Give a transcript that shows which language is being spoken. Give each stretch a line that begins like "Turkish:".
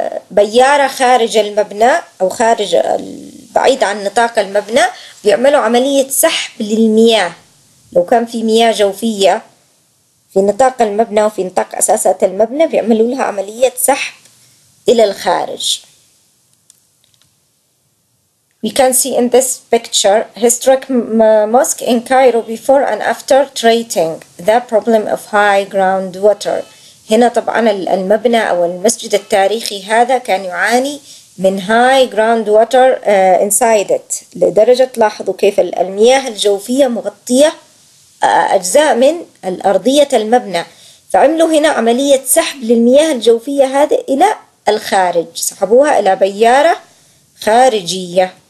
Arabic: بيارة خارج المبنى أو خارج بعيد عن نطاق المبنى، بيعملوا عملية سحب للمياه لو كان في مياه جوفية في نطاق المبنى وفي نطاق أساسات المبنى، بيعملوا لها عملية سحب إلى الخارج.
English: We can see in this picture historic mosque in Cairo before and after treating the problem of high ground water.
Arabic: هنا طبعا المبنى أو المسجد التاريخي هذا كان يعاني من
English: high ground water inside it،
Arabic: لدرجة تلاحظوا كيف المياه الجوفية مغطية أجزاء من الأرضية المبنى، فعملوا هنا عملية سحب للمياه الجوفية هذه إلى الخارج، سحبوها إلى بيارة خارجية.